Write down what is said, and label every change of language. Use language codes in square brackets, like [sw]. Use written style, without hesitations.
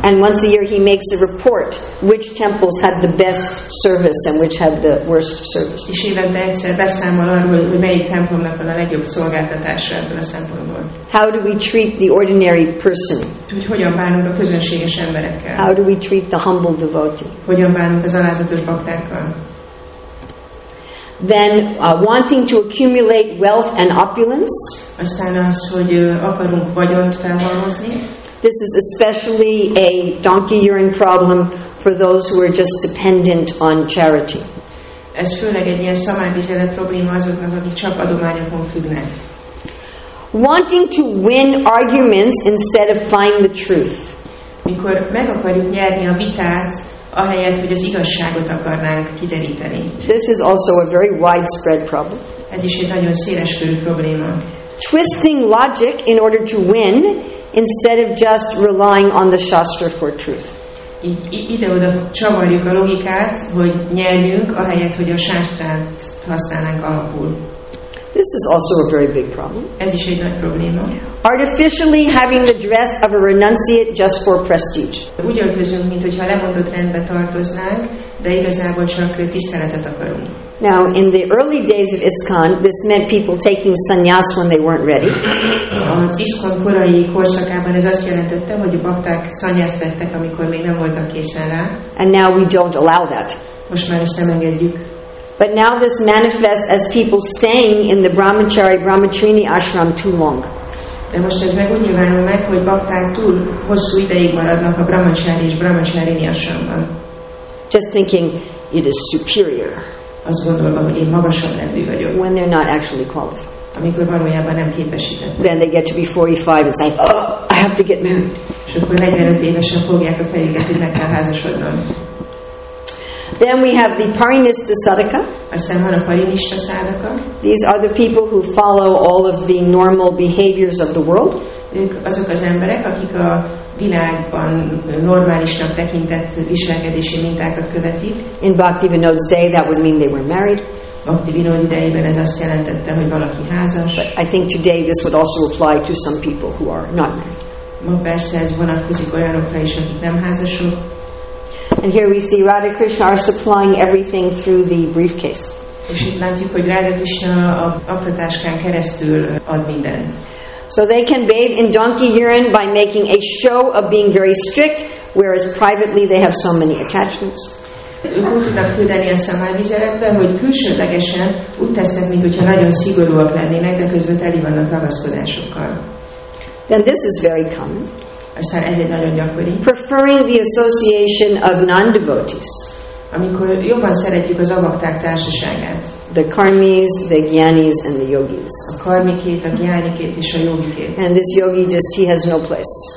[en] And once a year he makes a report which temples had the best service and which had the worst service. [hu] És évente egyszer beszámol arról, hogy melyik templomnak van a legjobb szolgáltatása ebből a szempontból. [en] How do we treat the ordinary person? [hu] Úgy hogyan bánunk a közönséges emberekkel? [en] How do we treat the humble devotee? [hu] Hogyan bánunk az alázatos baktákkal? [en] Then wanting to accumulate wealth and opulence. [hu] Aztán az, hogy akarunk vagyont felhalmozni. [en] This is especially a donkey urine problem for those who are just dependent on charity. [hu] Ez főleg egy ilyen szamárbizelet probléma azoknak, akik csak adományokon függnek. [en] Wanting to win arguments instead of find the truth. [hu] Mikor meg akarjuk nyerni a vitát, ahelyett, hogy az igazságot akarnánk kideríteni. [en] This is also a very widespread problem. [hu] Ez is egy nagyon széles körű probléma. [en] Twisting logic in order to win instead of just relying on the shastra for truth. [hu] Ide-oda csavarjuk a logikát, hogy nyerjünk, ahelyett, hogy a sástrát használnánk alapul. [en] This is also a very big problem. [hu] Ez is egy nagy probléma. [en] Artificially having the dress of a renunciate just for prestige. [hu] Úgy öltözünk, mint hogyha lemondott rendbe tartoznánk, de igazából csak tiszteletet akarunk. [en] Now, in the early days of ISKCON, this meant people taking sannyas when they weren't ready. [hu] Az ISKCON korai korszakában ez azt jelentette, hogy a bakták sannyas vettek, amikor még nem voltak készen rá. [en] And now we don't allow that. [hu] Most már ezt nem engedjük. [en] But now this manifests as people staying in the brahmachari brahmachrini ashram too long. [hu] De most ez meg úgy nyilvánul meg, hogy bakták túl hosszú ideig maradnak a brahmachari és brahmachrini ashramban. [en] Just thinking it is superior. [hu] Azt gondolva, hogy én magasabb rendű vagyok. [en] When they're not actually qualified. [hu] Amikor valójában nem képesített. [en] Then they get to be 45 and say, oh, I have to get married. [hu] És akkor 45 évesen fogják a fejüket, hogy meg kell házasodnom. [en] Then we have the Parinista Sadaka. [hu] Aztán van a Parinista Sadaka. [en] These are the people who follow all of the normal behaviors of the world. [hu] Ők azok az emberek, akik a világban normálisnak tekintett viselkedési mintákat követik. [en] In Bhaktivinoda's day, that would mean they were married. [hu] Bhaktivinoda idejében ez azt jelentette, hogy valaki házas. [en] But I think today this would also apply to some people who are not married. [hu] Ma persze ez vonatkozik olyanokra is, akik nem házasok. [en] And here we see Radha Krishna are supplying everything through the briefcase. [hu] És itt látjuk, hogy Radha Krishna a aktatáskán keresztül ad mindent. [en] So they can bathe in donkey urine by making a show of being very strict, whereas privately they have so many attachments. [hu] Ők úgy tudnak küldeni a szamárvizeletbe, hogy külsőlegesen úgy tesznek, mintha nagyon szigorúak lennének, de közben teli vannak ragaszkodásokkal. [en] And this is very common. [hu] Aztán ez egy nagyon gyakori. [en] Preferring the association of non-devotees. [hu] Amikor jobban szeretjük az avakták társaságát. [en] The karmis, the gyanis and the yogis. [hu] A karmikét, a gyanikét és a yogikét. [en] And this yogi just he has no place.